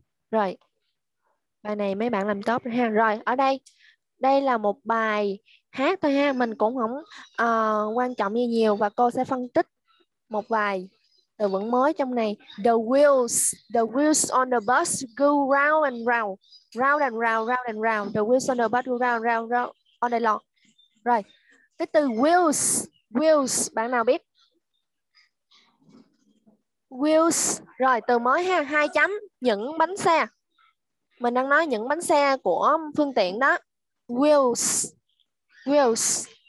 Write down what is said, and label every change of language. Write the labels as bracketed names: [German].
[Vietnamese] Rồi bài này mấy bạn làm tốt rồi ha. Rồi ở đây, đây là một bài hát thôi ha. Mình cũng không quan trọng gì nhiều. Và cô sẽ phân tích một vài Từ vựng mới trong này. [English] The wheels on the bus go round and round. Round and round, round and round. The wheels on the bus go round and round, round all day long. [Vietnamese] Rồi. Cái từ wheels, bạn nào biết? Wheels. Rồi, từ mới ha, hai chấm, những bánh xe. Mình đang nói những bánh xe của phương tiện đó. Wheels.